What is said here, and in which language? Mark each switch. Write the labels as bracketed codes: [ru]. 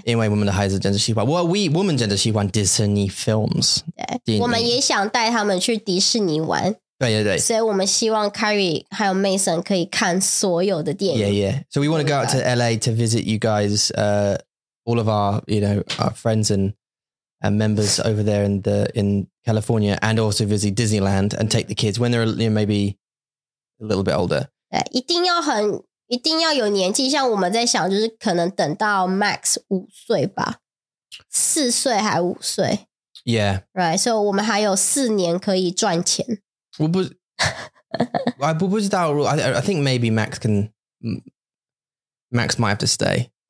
[zh] 因为我们的孩子真的喜欢。 [en] Well, we, [zh] 我们真的喜欢 [en] Disney films. [zh] 对。我们也想带他们去迪士尼玩。对对对。所以我们希望 Carrie 还有 Mason 可以看所有的电影。 [en] Yeah, yeah. So we want to go out to LA to visit you guys, all of our, you know, our friends and members over there in California and also visit Disneyland and take the kids when they're you know, maybe a little bit older. [zh] 对，一定要很，一定要有年纪。像我们在想，就是可能等到 Max 五岁吧，四岁还五岁。 [en] Yeah. Right. [zh] So 我们还有四年可以赚钱。我不知道。 [en] I think maybe Max might have to stay.